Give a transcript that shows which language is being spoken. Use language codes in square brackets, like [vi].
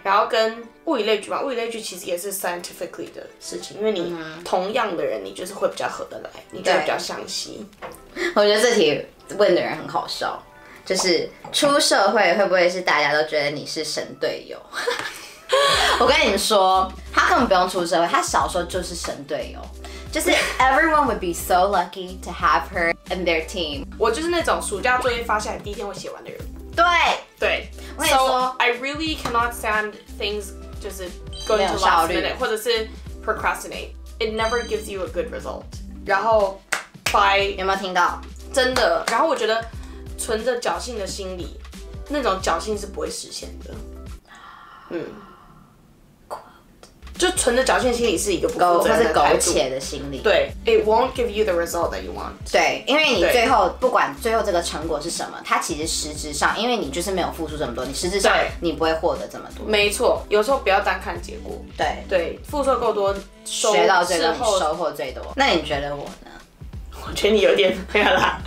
[zh] 然后跟物以类聚嘛，物以类聚其实也是 scientifically 的事情，因为你同样的人，你就是会比较合得来，你就会比较相吸。我觉得这题问的人很好笑，就是出社会会不会是大家都觉得你是神队友？我跟你说，他根本不用出社会，他小时候就是神队友。 [en] 就是 everyone would be so lucky to have her in their team. [zh] 我就是那种暑假作业发下来第一天会写完的人。对对，我跟你说 [en] ，I really cannot stand things [zh] 就是 [en] go into last minute [zh] 或者是 [en] procrastinate. It never gives you a good result. [zh] 然后 [en] by [zh] 有没有听到？真的。然后我觉得存着侥幸的心理，那种侥幸是不会实现的。嗯。就存着侥幸心理是一个不负责任的态度，或是苟且的心理。对 [en] ，It won't give you the result that you want。 [zh] 对，因为你最后不管最后这个成果是什么，它其实实质上，因为你就是没有付出这么多，你实质上你不会获得这么多。没错，有时候不要单看结果。对对，付出够多，学到最多，收获最多。那你觉得我呢？我觉得你有点没有啦。